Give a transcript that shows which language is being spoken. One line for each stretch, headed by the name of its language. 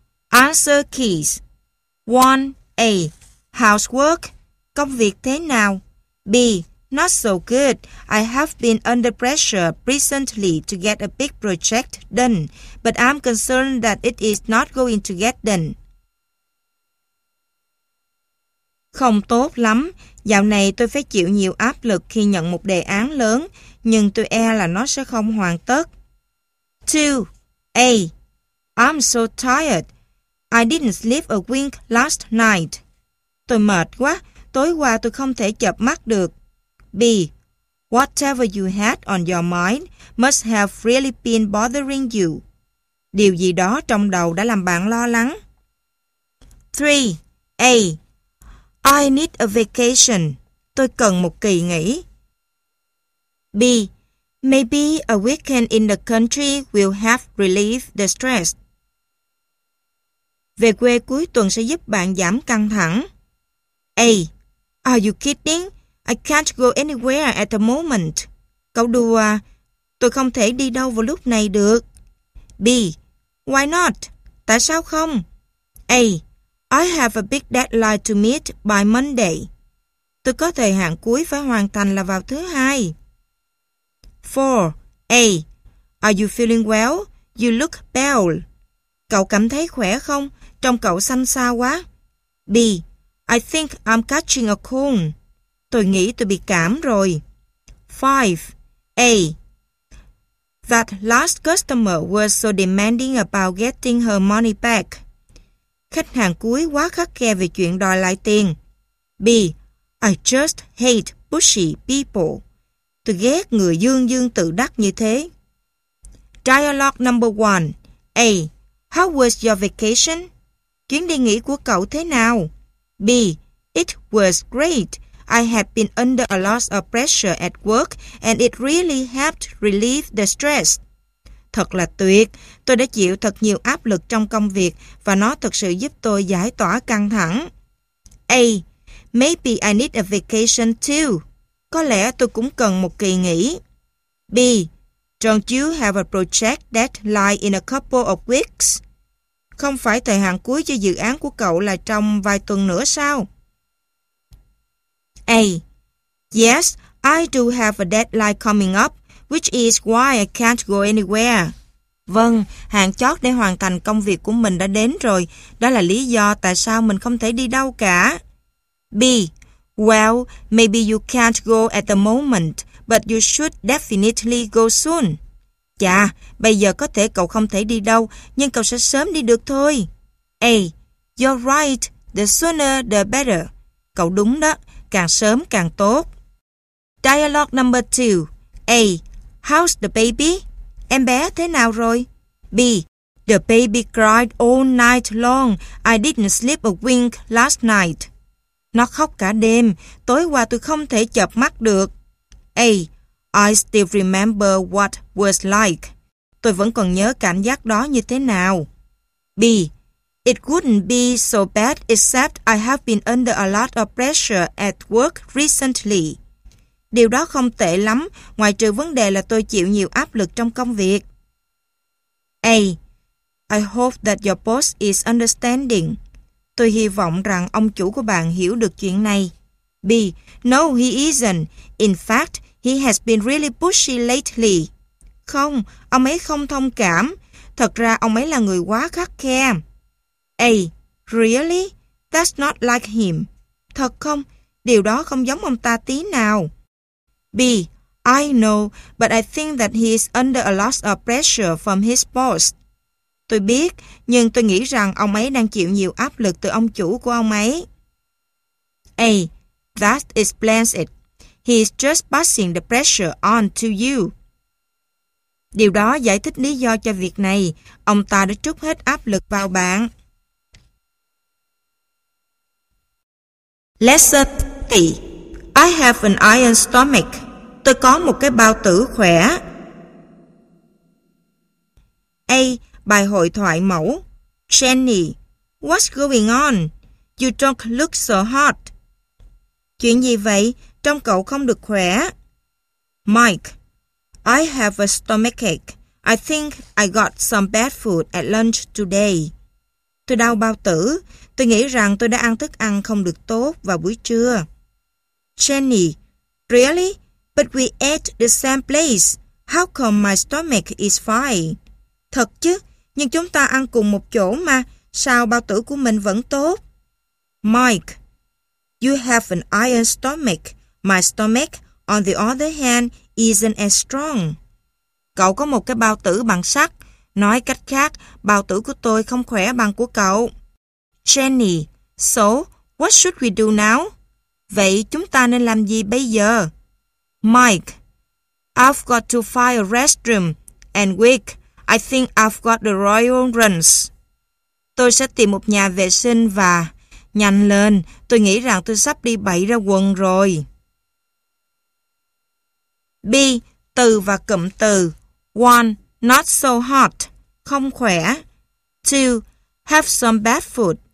English: Answer keys. 1. A. Housework.
Vietnamese: Công việc thế nào?
English: B. Not so good. I have been under pressure recently to get a big project done, but I'm concerned that it is not going to get done.
Vietnamese: Không tốt lắm. Dạo này tôi phải chịu nhiều áp lực khi nhận một đề án lớn, nhưng tôi e là nó sẽ không hoàn tất.
English: 2. A. I'm so tired. I didn't sleep a wink last night.
Vietnamese: Tôi mệt quá. Tối qua tôi không thể chợp mắt được.
English: B. Whatever you had on your mind must have really been bothering you.
Vietnamese: Điều gì đó trong đầu đã làm bạn lo lắng.
English: 3. A. I need a vacation.
Vietnamese: Tôi cần một kỳ nghỉ.
English: B. Maybe a weekend in the country will help relieve the stress.
Vietnamese: Về quê cuối tuần sẽ giúp bạn giảm căng thẳng.
English: A. Are you kidding? I can't go anywhere at the moment.
Vietnamese: Cậu đùa. Tôi không thể đi đâu vào lúc này được.
English: B. Why not?
Vietnamese: Tại sao không?
English: A. I have a big deadline to meet by Monday.
Vietnamese: Tôi có thời hạn cuối phải hoàn thành là vào thứ hai.
English: 4. A. Are you feeling well? You look pale.
Vietnamese: Cậu cảm thấy khỏe không? Trông cậu xanh xao quá.
English: B. I think I'm catching a cold.
Vietnamese: Tôi nghĩ tôi bị cảm rồi.
English: 5. A. That last customer was so demanding about getting her money back.
Vietnamese: Khách hàng cuối quá khắt khe về chuyện đòi lại tiền.
English: B. I just hate pushy people.
Vietnamese: Tôi ghét người dương dương tự đắc như thế.
English: Dialogue number 1. A. How was your vacation?
Vietnamese: Chuyến đi nghỉ của cậu thế nào?
English: B. It was great. I have been under a lot of pressure at work and it really helped relieve the stress.
Vietnamese: Thật là tuyệt. Tôi đã chịu thật nhiều áp lực trong công việc và nó thật sự giúp tôi giải tỏa căng thẳng.
English: A. Maybe I need a vacation too.
Vietnamese: Có lẽ tôi cũng cần một kỳ nghỉ.
English: B. Don't you have a project deadline in a couple of weeks?
Vietnamese: Không phải thời hạn cuối cho dự án của cậu là trong vài tuần nữa sao?
English: A. Yes, I do have a deadline coming up, which is why I can't go anywhere.
Vietnamese: Vâng, hạn chót để hoàn thành công việc của mình đã đến rồi. Đó là lý do tại sao mình không thể đi đâu cả.
English: B. Well, maybe you can't go at the moment, but you should definitely go soon.
Vietnamese: Chà, bây giờ có thể cậu không thể đi đâu, nhưng cậu sẽ sớm đi được thôi.
English: A. You're right, the sooner the better.
Vietnamese: Cậu đúng đó, càng sớm càng tốt.
English: Dialogue number 2. A. How's the baby?
Vietnamese: Em bé thế nào rồi?
English: B. The baby cried all night long. I didn't sleep a wink last night.
Vietnamese: Nó khóc cả đêm. Tối qua tôi không thể chợp mắt được.
English: A. I still remember what was like.
Vietnamese: Tôi vẫn còn nhớ cảm giác đó như thế nào.
English: B. It wouldn't be so bad except I have been under a lot of pressure at work recently.
Vietnamese: Điều đó không tệ lắm, ngoài trừ vấn đề là tôi chịu nhiều áp lực trong công việc.
English: A. I hope that your boss is understanding.
Vietnamese: Tôi hy vọng rằng ông chủ của bạn hiểu được chuyện này.
English: B. No, he isn't. In fact, he has been really pushy lately.
Vietnamese: Không, ông ấy không thông cảm. Thật ra ông ấy là người quá khắt khe.
English: A. Really? That's not like him.
Vietnamese: Thật không? Điều đó không giống ông ta tí nào.
English: B. I know, but I think that he is under a lot of pressure from his boss.
Vietnamese: Tôi biết, nhưng tôi nghĩ rằng ông ấy đang chịu nhiều áp lực từ ông chủ của ông ấy.
English: A. That explains it. He is just passing the pressure on to you.
Vietnamese: Điều đó giải thích lý do cho việc này. Ông ta đã trút hết áp lực vào bạn.
English: Lesson 30. I have an iron stomach.
Vietnamese: Tôi có một cái bao tử khỏe.
English: A.
Vietnamese: Bài hội thoại mẫu.
English: Jenny, what's going on? You don't look so hot.
Vietnamese: Chuyện gì vậy? Trông cậu không được khỏe.
English: Mike, I have a stomachache. I think I got some bad food at lunch today.
Vietnamese: Tôi đau bao tử. Tôi nghĩ rằng tôi đã ăn thức ăn không được tốt vào buổi trưa.
English: Jenny, really? But we ate the same place. How come my stomach is fine?
Vietnamese: Thật chứ, nhưng chúng ta ăn cùng một chỗ mà. Sao bao tử của mình vẫn tốt?
English: Mike, you have an iron stomach. My stomach, on the other hand, isn't as strong.
Vietnamese: Cậu có một cái bao tử bằng sắt. Nói cách khác, bao tử của tôi không khỏe bằng của cậu.
English: Jenny, so what should we do now?
Vietnamese: Vậy chúng ta nên làm gì bây giờ?
English: Mike, I've got to find a restroom. And Wick, I think I've got the royal runs.
Vietnamese: Tôi sẽ tìm một nhà vệ sinh và... Nhanh lên, tôi nghĩ rằng tôi sắp đi bậy ra quần rồi. B. Từ và cụm từ. 1.
English: Not so hot.
Vietnamese: Không khỏe.
English: 2. Have some bad food.